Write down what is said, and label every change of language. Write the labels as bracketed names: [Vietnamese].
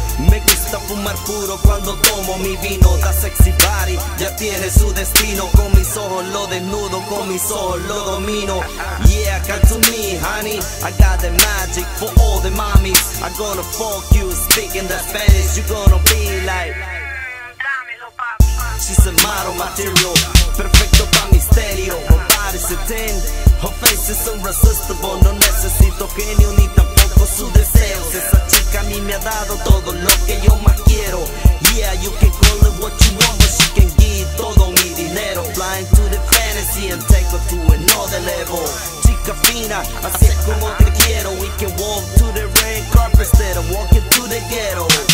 [Spanish] Me gusta fumar puro cuando tomo mi vino. Da sexy body, ya tiene su destino. Con mis ojos lo desnudo, con mis ojos lo domino. [English] Yeah, come to me, honey. I got the magic for all the mommies. I'm gonna fuck you, speaking that Spanish. You gonna be like, she's a model material, [Spanish] perfecto pa' Misterio. [English] Her body's a 10, her face is irresistible. [Spanish] No necesito genio ni tampoco su deseo. Esa chica a mí me ha dado todo lo que yo más quiero. [English] Yeah, you can call it what you want, but she can give [Spanish] todo mi dinero. [English] Flying to the fantasy and take her to another level. [Spanish] Chica fina, así es como te quiero. [English] We can walk to the red carpet instead of walking to the ghetto.